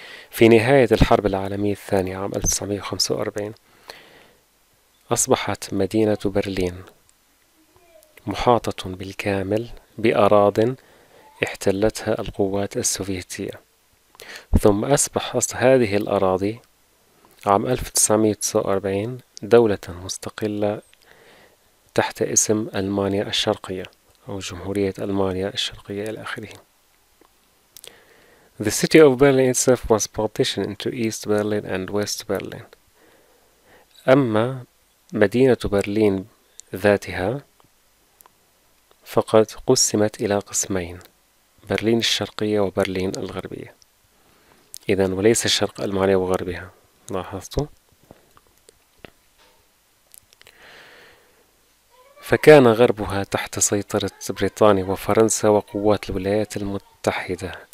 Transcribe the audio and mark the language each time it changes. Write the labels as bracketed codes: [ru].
[ar] في نهاية الحرب العالمية الثانية عام 1945، أصبحت مدينة برلين محاطة بالكامل بأراض احتلتها القوات السوفيتية، ثم أصبحت هذه الأراضي عام 1949 دولة مستقلة تحت اسم ألمانيا الشرقية، أو جمهورية ألمانيا الشرقية إلى آخره. [en] The city of Berlin itself was partitioned into East Berlin and West Berlin. [ar] أما مدينة برلين ذاتها فقد قسمت إلى قسمين، برلين الشرقية وبرلين الغربية. إذا وليس شرق ألمانيا وغربها، لاحظت؟ فكان غربها تحت سيطرة بريطانيا وفرنسا وقوات الولايات المتحدة.